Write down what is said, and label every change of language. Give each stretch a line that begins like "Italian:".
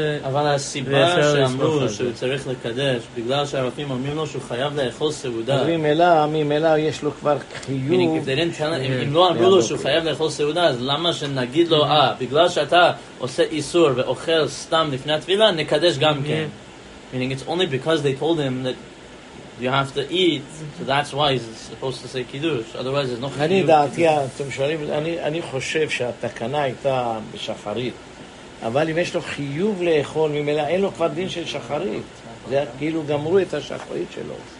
Hebrew: אבל הסיבה שאמרו שהוא צריך לקדש, בגלל שהרופאים אומרים לו שהוא חייב לאכול סעודה. אומרים אלא, אמים אלא, יש לו כבר חיוב. אם לא אמרו לו שהוא חייב לאכול סעודה, אז למה שנגיד לו, בגלל שאתה עושה איסור ואוכל סתם לפני התפילה, נקדש גם כן.
English: Meaning it's only because they told him that you have to eat, so that's why he's supposed to say kiddush. Otherwise, there's no
Hebrew: חיוב. אני דעתי, אתם שואלים, אני חושב שהתקנה הייתה בשחרית. אבל אם יש לו חיוב לאכול, ממילא אין לו כבר דין של שחרית. זה כאילו גמרו את השחרית שלו.